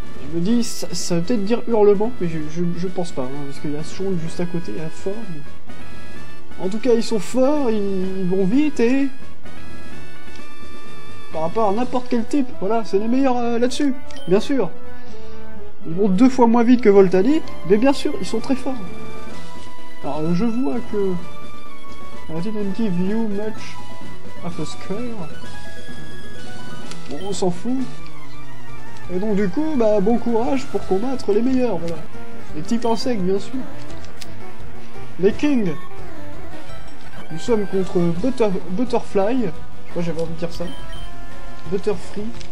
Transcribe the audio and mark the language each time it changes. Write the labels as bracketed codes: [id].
[fr] Je me dis, ça veut peut-être dire hurlement, mais je pense pas, hein, parce qu'il y a strong juste à côté, il y a fort. Mais... En tout cas, ils sont forts, ils vont vite et. Par rapport à n'importe quel type, voilà, c'est les meilleurs là-dessus, bien sûr. Ils vont deux fois moins vite que Voltali, mais bien sûr, ils sont très forts. Alors, je vois que... [en] I didn't give you much of a score. [fr] Bon, on s'en fout. Et donc, du coup, bah, bon courage pour combattre les meilleurs, voilà. Les types insectes, bien sûr. Les Kings. Nous sommes contre Butterfly. Je sais pas, j'avais envie de dire ça. Butterfree.